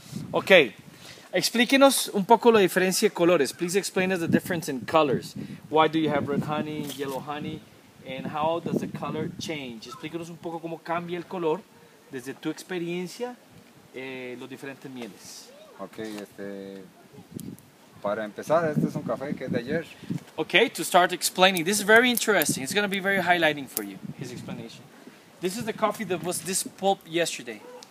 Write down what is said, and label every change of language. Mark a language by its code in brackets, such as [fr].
[es] Ok, explíquenos un poco la diferencia de colores. [en] Please explain us the difference in colors. Why do you have red honey, yellow honey, and how does the color change? [es] Explíquenos un poco cómo cambia el color desde tu experiencia, los diferentes mieles. Ok, para empezar, este es un café que es de ayer. [en] Okay, to start explaining, this is very interesting. It's going to be very highlighting for you, his explanation. This is the coffee that was this pulp yesterday.